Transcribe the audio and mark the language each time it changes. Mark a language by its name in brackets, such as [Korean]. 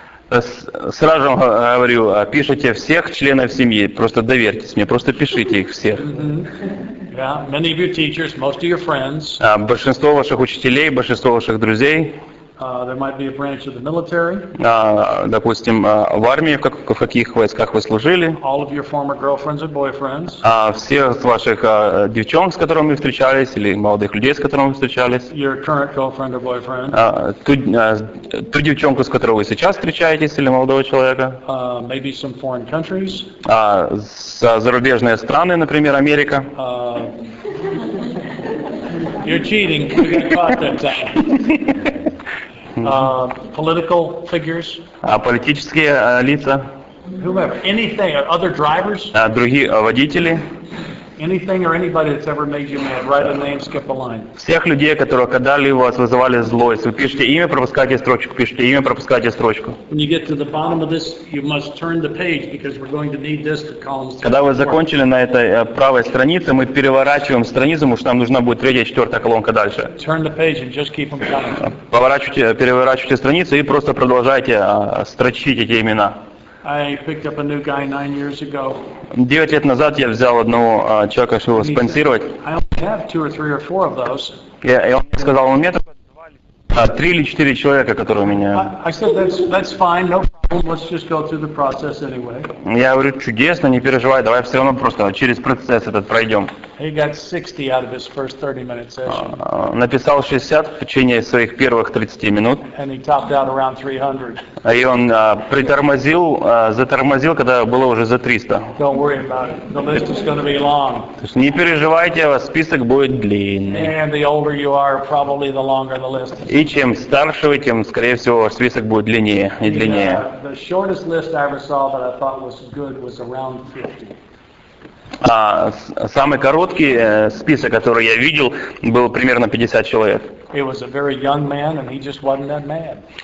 [Russian] Сразу же говорю, пишите всех членов семьи, просто доверьтесь мне, просто пишите их всех. Mm-hmm. [English] Yeah, many of you teachers, most of your friends. [Russian] Большинство ваших учителей, большинство ваших друзей. [English] There might be a branch of the military. [Russian] Допустим, в армии, в каких войсках вы служили. [English] All of your former girlfriends or boyfriends. [Russian] Всех ваших девчонок, с которыми вы встречались, или молодых людей, с которыми вы встречались. [English] Your current girlfriend or boyfriend. [Russian] Ту девчонку, с которой вы сейчас встречаетесь, или молодого человека. [English] Maybe some foreign countries. [Russian] Зарубежные страны, например, Америка. [English] You're cheating. You got caught that time. Political figures. [Russian] Политические лица. [English] Whoever, anything, other drivers. [Russian] Другие водители. [English] Anything or anybody that's ever made you mad, write a name, skip a line. [Russian] Всех людей, которые когда-либо вас вызывали злость, вы пишите имя, пропускайте строчку, пишите имя, пропускайте строчку. [English] When you get to the bottom of this, you must turn the page because we're going to need this to columns. [Russian] Когда вы закончили на этой правой странице, мы переворачиваем страницу, потому что нам нужна будет третья, четвертая колонка дальше. [English] Turn the page and just keep them coming. [Russian] Переворачивайте страницу и просто продолжайте строчить эти имена. [English] I picked up a new guy 9 years ago. [Russian] 9 лет назад я взял одного человека, чтобы его спонсировать. [English] I only have 2 or 3 or 4 of those. [Russian] Yeah, и он сказал, у меня только 3 или 4 человека, которые у меня. [English] I said that's fine, no problem. Let's just go through the process anyway. [Russian] Я говорю, чудесно, не переживай, давай все равно просто через процесс этот пройдем. [English] He got 60 out of his first 30-minute session. [Russian] Написал 60 в течение своих первых 30 минут. [English] And he topped out around 300. [Russian] И он затормозил, когда было уже за 300. [English] Don't worry about it. The list is going to be long. [Russian] То есть не переживайте, список будет длинный. [English] And the older you are, probably the longer the list. [Russian] И чем старше вы, тем, скорее всего, список будет длиннее и длиннее. [English] The shortest list I ever saw that I thought was good was around 50. [Russian] Самый короткий список, который я видел, был примерно 50 человек. [English] It was a very young man, and he just wasn't that mad.